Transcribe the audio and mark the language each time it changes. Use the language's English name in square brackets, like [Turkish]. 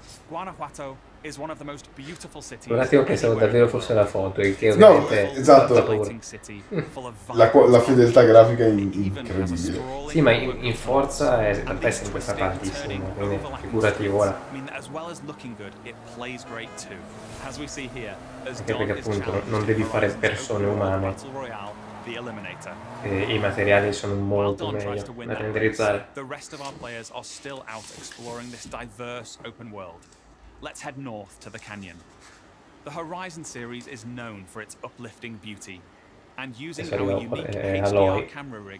[English] Guanajuato is one of the most beautiful cities. [Italian] Guardate, ho pensato davvero fosse la foto, il che no, esatto. La fedeltà grafica è incredibile. Sì, ma in Forza è sempre in questa parte, insomma, quindi figurati ora. Anche perché appunto non devi fare persone umane. I materiali sono molto meglio da renderizzare. [English] The rest of our players are still out exploring this diverse open world. Let's head north to the canyon. The Horizon series is known for its uplifting beauty. And using our unique HDR camera rig.